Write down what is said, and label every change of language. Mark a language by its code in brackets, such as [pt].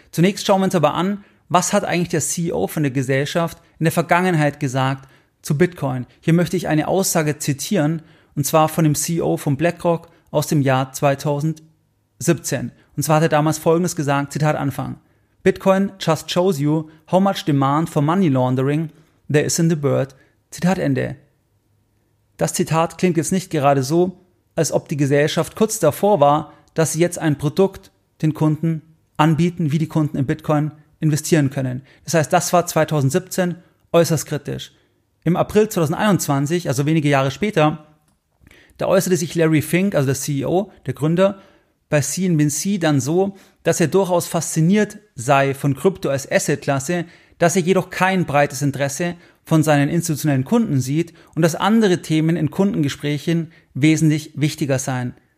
[de] Zunächst schauen wir uns aber an, was hat eigentlich der CEO von der Gesellschaft in der Vergangenheit gesagt zu Bitcoin? Hier möchte ich eine Aussage zitieren, und zwar von dem CEO von BlackRock aus dem Jahr 2017. Und zwar hat er damals Folgendes gesagt, Zitat Anfang. [en] Bitcoin just shows you how much demand for money laundering there is in the world. [de] Zitat Ende. Das Zitat klingt jetzt nicht gerade so, als ob die Gesellschaft kurz davor war, dass sie jetzt ein Produkt den Kunden anbieten, wie die Kunden in Bitcoin investieren können. Das heißt, das war 2017 äußerst kritisch. Im April 2021, also wenige Jahre später, da äußerte sich Larry Fink, also der CEO, der Gründer, bei CNBC dann so, dass er durchaus fasziniert sei von Krypto als Assetklasse, dass er jedoch kein breites Interesse von seinen institutionellen Kunden sieht und dass andere Themen in Kundengesprächen wesentlich wichtiger seien.